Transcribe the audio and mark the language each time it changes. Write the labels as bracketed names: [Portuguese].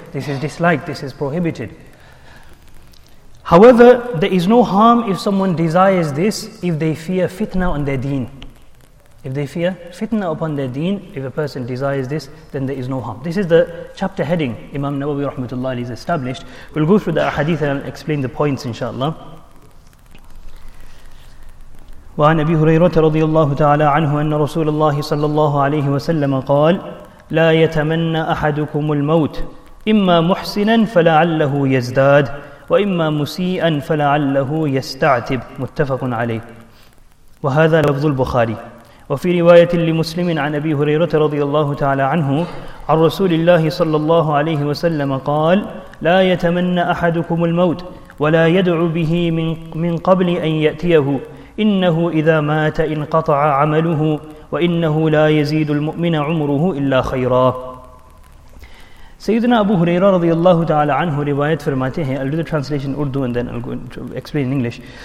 [English] This is disliked, this is prohibited. However, there is no harm if someone desires this, if they fear fitna on their deen. If they fear fitna upon their deen, if a person desires this, then there is no harm. This is the chapter heading Imam Nawawi rahmatullah is established. We'll go through the hadith and explain the points, inshaAllah. [Arabic] وعن أبي هريرة رضي الله تعالى عنه أن رسول الله صلى الله عليه وسلم قال لا يتمنى أحدكم الموت إما محسنا فلعله يزداد وإما مسيئا فلعله يستعتب متفق عليه وهذا لفظ البخاري وفي رواية لمسلم عن أبي هريرة رضي الله تعالى عنه عن رسول الله صلى الله عليه وسلم قال لا يتمنى أحدكم الموت ولا يدعو به من قبل أن يأتيه إنه إذا مات انقطع عمله وإنه لا يزيد المؤمن عمره إلا خيرا. [Urdu] سيدنا أبو هريرة رضي الله تعالى عنه رواية فرماته هي. [English] I'll do the translation in Urdu and then I'll go to explain in English.